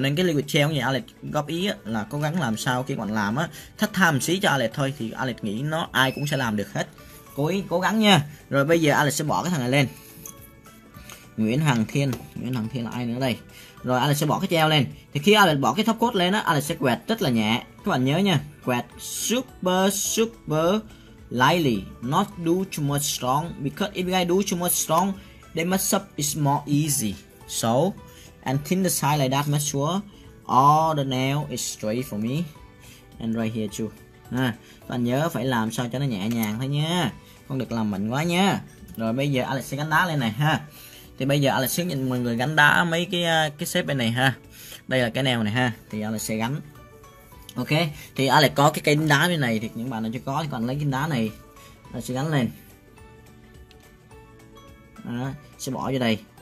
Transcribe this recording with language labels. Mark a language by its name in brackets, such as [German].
[Vietnamese] Nên cái liquid gel cũng vậy, Alex góp ý á, là cố gắng làm sao khi bạn làm á, khách tham xí cho Alex thôi, thì Alex nghĩ nó ai cũng sẽ làm được hết. Cố gắng nha. Rồi bây giờ Alex sẽ bỏ cái thằng này lên. Nguyễn Hằng Thiên là ai nữa đây? Rồi Alex sẽ bỏ cái treo lên. Thì khi Alex bỏ cái top coat lên á, Alex sẽ quẹt rất là nhẹ. Các bạn nhớ nha, quẹt [English] super super lightly, not do too much strong, because if I do too much strong, the mess up is more easy. So, and thin the side like that, make sure all the nail is straight for me. And right here too. [Vietnamese] Các bạn nhớ phải làm sao cho nó nhẹ nhàng thôi nha, không được làm mạnh quá nha. Rồi bây giờ Alex sẽ gắn đá lên này ha. Thì bây giờ Alex sẽ nhìn mọi người gắn đá mấy cái xếp bên này ha. Đây là cái nail này ha, thì Alex sẽ gắn. Ok, thì Alex có cái cây đá bên này, thì những bạn nào chưa có thì còn lấy cái đá này Alex sẽ gắn lên à, sẽ bỏ vô đây.